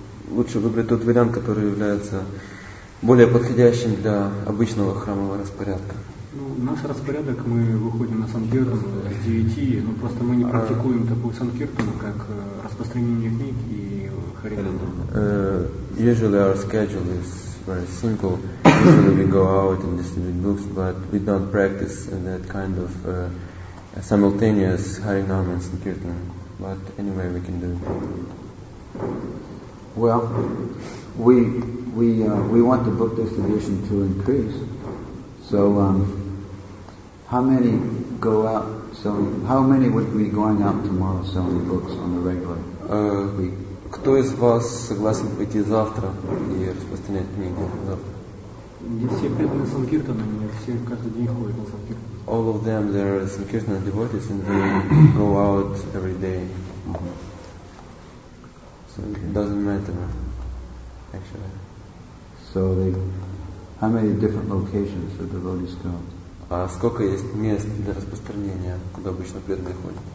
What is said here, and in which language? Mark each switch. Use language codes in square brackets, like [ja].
[ru] Лучше выбрать тот вариант, который является более подходящим для обычного храмового распорядка. Наш распорядок, мы выходим на Санкиртан с 9, но просто мы не практикуем такую Санкиртану, как распространение книг и харидан. [en] Usually our schedule is very simple. Usually we go out and distribute books, but we don't practice that kind of simultaneous Харинам and Санкиртан. But anyway, we can do it. Well, we want the book distribution to increase. So, how many go out selling? How many would be going out tomorrow selling books on the regular week? [ru] Кто из вас согласен пойти завтра и распространять книги завтра? Не все преданы Санкиртана, они все каждый день ходят на Санкиртан. [en] All of them, they are Санкиртана devotees, and they go out every day. So it doesn't matter, actually. So they, how many different locations the devotees go? [ru] А сколько есть мест для распространения, куда обычно преданные ходят?